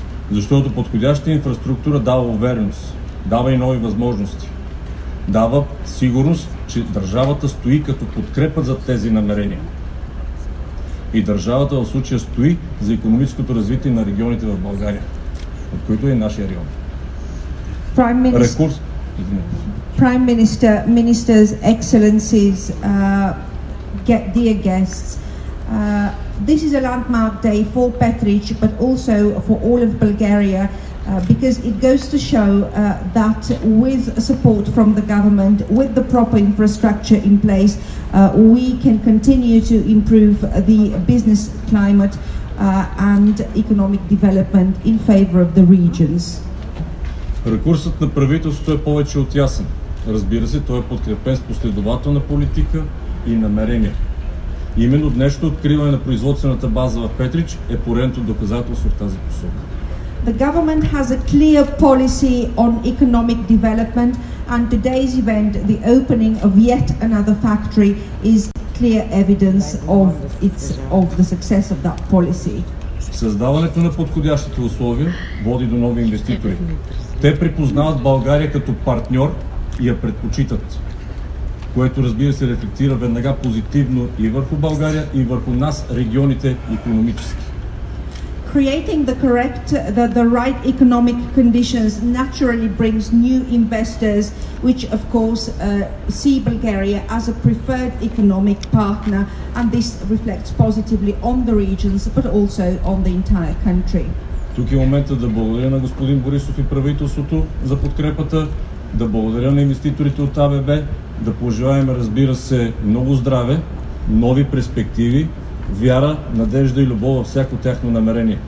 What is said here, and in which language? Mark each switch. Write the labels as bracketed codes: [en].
[bg] Защото подходящата инфраструктура дава увереност, дава и нови възможности. Дава сигурност, че държавата стои като подкрепа за тези намерения. И държавата в случая стои за економическото развитие на регионите в България, от които е нашия регион. Ресурс. [en] Prime Minister, Ministers, Excellencies, dear guests, this is a landmark day for Petrich, but also for all of Bulgaria. Because it goes to show that with support from the government, with the proper infrastructure in place, we can continue to improve the business climate and economic development in favor of the regions. [bg] Ресурсът на правителството е повече от ясен. Разбира се, той е подкрепен с последователна политика и намерения. Именно днешното откриване на производствената база в Петрич е поредното доказателство в тази посока. [en] The government has a clear policy on economic development, and today's event, the opening of yet another factory, is clear evidence of its of the success of that policy. [bg] Създаването на подходящите условия води до нови инвеститори. Те припознават България като партньор и я предпочитат, което, разбира се, рефлектира веднага позитивно и върху България, и върху нас, регионите, икономически. [en] Creating the correct, the right economic conditions naturally brings new investors, which of course see Bulgaria as a preferred economic partner, and this reflects positively on the regions, but also on the entire country. [bg] Тук е моментът да благодаря на господин Борисов и правителството за подкрепата, да благодаря на инвеститорите от АБВ, да пожелаем, разбира се, много здраве, нови перспективи, вяра, надежда и любов във всяко тяхно намерение.